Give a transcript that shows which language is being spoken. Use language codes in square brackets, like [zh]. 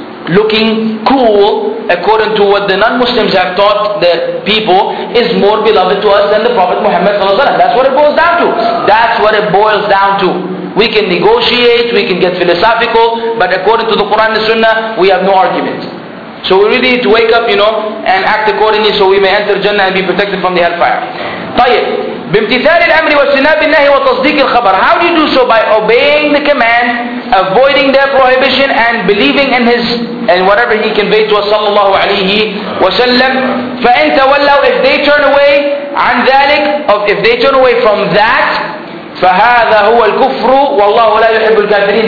[en] Looking cool, according to what the non-Muslims have taught the people, is more beloved to us than the Prophet Muhammad sallallahu alaihi wasallam. That's what it boils down to. We can negotiate, we can get philosophical, but according to the Quran and the Sunnah, we have no argument. So we really need to wake up, you know, and act accordingly so we may enter Jannah and be protected from the hellfire. [ar] طيب بامتثال الأمر واجتناب النهي وتصديق الخبر. [en] How do you do so? By obeying the command, avoiding their prohibition, and believing in his and whatever he conveyed to us [ar] صلى الله عليه وسلم. فإن تولوا, [en] if they turn away [ar] عن ذلك, [en] if they turn away from that, [ar] فهذا هو الكفر والله لا يحب الكافرين.